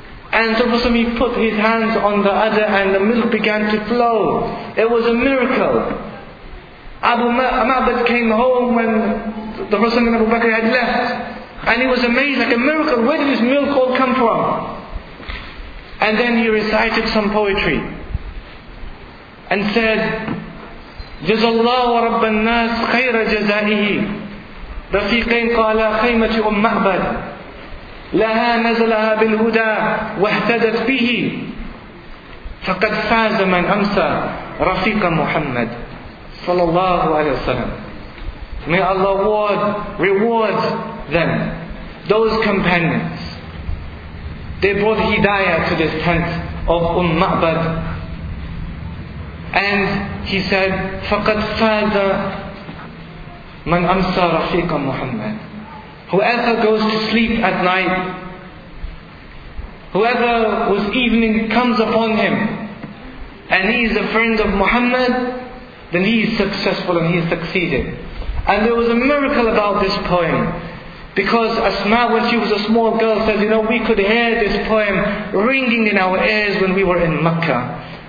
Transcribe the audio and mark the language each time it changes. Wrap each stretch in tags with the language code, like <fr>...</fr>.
<en>And so he put his hands on the udder and the milk began to flow. It was a miracle. Abu Ma'bad came home when the Prophet and Abu Bakr had left. And he was amazed, like a miracle. Where did this milk all come from? And then he recited some poetry and said,</en> <ar>جَزَاللَّهُ وَرَبَّ النَّاسِ خَيْرَ جَزَائِهِ رَفِيقَيْنِ قَالَا خَيْمَةُ مَعْبَدٍ لَهَا نَزَلَهَا بِالْهُدَى وَاهْتَدَتْ بِهِ فَقَدْ فَازَ مَنْ أَمْسَى رَفِيقَ مُحَمَّدٍ صلى الله عليه وسلم.</ar> <en>May Allah reward them, those companions. They brought Hidayah to this tent of Ma'bad. And he said,</en> <ar>فَقَدْ فَازَ مَنْ أَمْسَى رَفِيقَ مُحَمَّدٍ.</ar> <en>Whoever goes to sleep at night, whoever whose evening comes upon him, and he is a friend of Muhammad, then he is successful and he has succeeded. And there was a miracle about this poem, because Asma, when she was a small girl, says, you know, we could hear this poem ringing in our ears when we were in Makkah.</en>